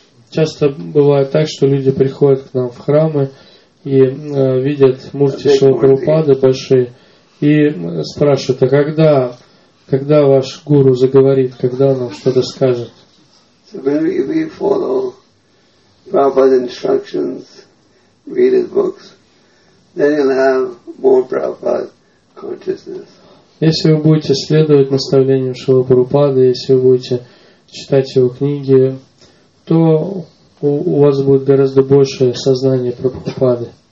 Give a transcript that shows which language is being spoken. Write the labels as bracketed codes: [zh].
[ru] Часто бывает так, что люди приходят к нам в храмы и видят мурти Шрилы Прабхупады большие и спрашивают, а когда ваш гуру заговорит, когда он нам что-то скажет? [en] So when we follow Prabhupada's instructions, read his books, then you'll have more Prabhupada consciousness. [ru] Если вы будете следовать наставлениям Шрилы Прабхупады, если вы будете читать его книги, то у вас будет гораздо большее сознание Прабхупады.